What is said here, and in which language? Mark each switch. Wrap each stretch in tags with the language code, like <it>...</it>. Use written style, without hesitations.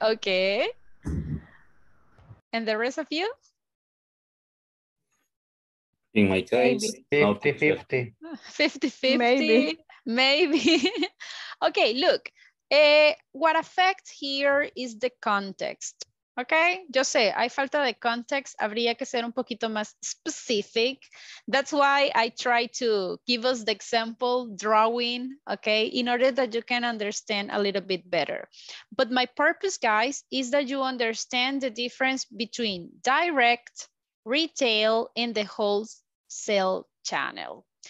<en>Okay. And the rest of you? In my case, 50-50. 50-50? Maybe. Maybe. Okay, look, what affects here is the context, okay?</en> <es>Yo sé, hay falta de context, habría que ser un poquito más specific.</es> <en>That's why I try to give us the example drawing, okay? In order that you can understand a little bit better. But my purpose, guys, is that you understand the difference between direct, retail, and the wholesale channel.</en>